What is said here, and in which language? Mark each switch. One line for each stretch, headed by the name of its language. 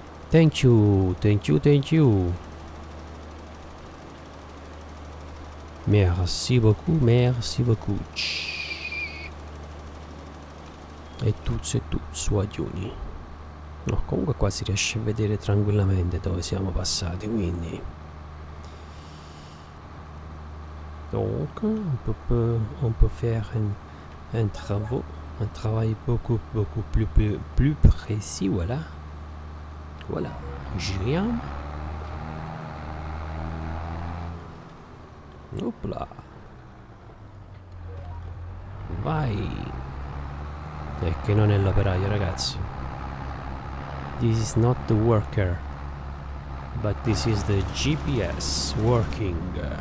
English: Thank you, thank you, thank you.
French: Merci beaucoup, merci beaucoup. E tutti su adiuni.
Italian: No, comunque qua si riesce a vedere tranquillamente dove siamo passati, quindi.
French: Donc, on peut faire un travaux, un travail beaucoup, beaucoup plus précis, voilà.
Italian: Voilà, giriamo.
French: Hop là.
Italian: Vai. E che non è l'operaio, ragazzi.
English: This is not the worker, but this is the GPS working.